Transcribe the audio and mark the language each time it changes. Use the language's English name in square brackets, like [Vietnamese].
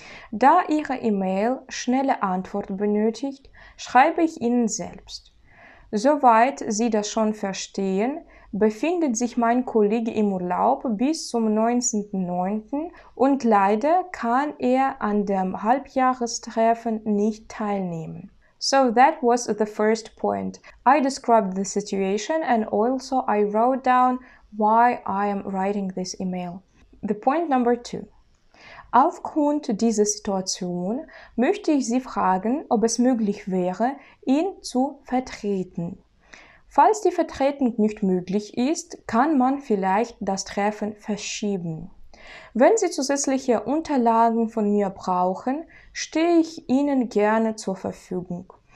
[German] Da Ihre E-Mail schnelle Antwort benötigt, schreibe ich Ihnen selbst. Soweit Sie das schon verstehen, befindet sich mein Kollege im Urlaub bis zum 19.09. und leider kann er an dem Halbjahrestreffen nicht teilnehmen. [English] So that was the first point. I described the situation and also I wrote down why I am writing this email. The point number two. [German] Aufgrund dieser Situation möchte ich Sie fragen, ob es möglich wäre, ihn zu vertreten. Falls die Vertretung nicht möglich ist, kann man vielleicht das Treffen verschieben. Wenn Sie zusätzliche Unterlagen von mir brauchen, stehe ich Ihnen gerne zur Verfügung.